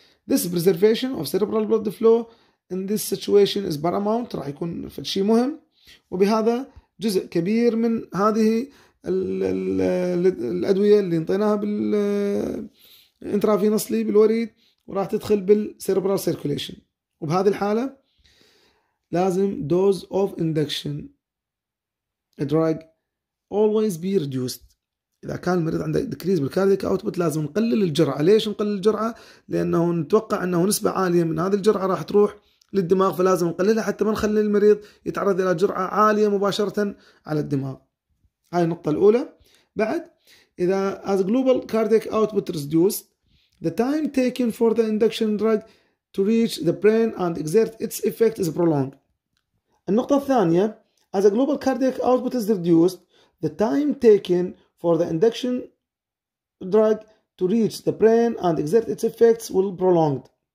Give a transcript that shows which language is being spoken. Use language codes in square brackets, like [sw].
[ar] This preservation of cerebral blood flow in this situation is paramount, راح يكون شيء مهم, وبهذا جزء كبير من هذه الأدوية اللي انطيناها بال intravenously بالوريد وراح تدخل بالcerebral circulation. [en] وبهذه الحالة لازم dose of induction a drug always be reduced. [ar] إذا كان المريض عنده decrease بالcardiac output لازم نقلل الجرعة. ليش نقلل الجرعة؟ لأنه نتوقع أنه نسبة عالية من هذه الجرعة راح تروح للدماغ, فلازم نقللها حتى ما نخلي المريض يتعرض إلى جرعة عالية مباشرة على الدماغ. هاي النقطة الأولى. [en] بعد إذا as global cardiac output reduced, the time taken for the induction drug to reach the brain and exert its effect is prolonged. النقطة الثانية, as a global cardiac output is reduced, the time taken for the induction drug to reach the brain and exert its effects will be prolonged.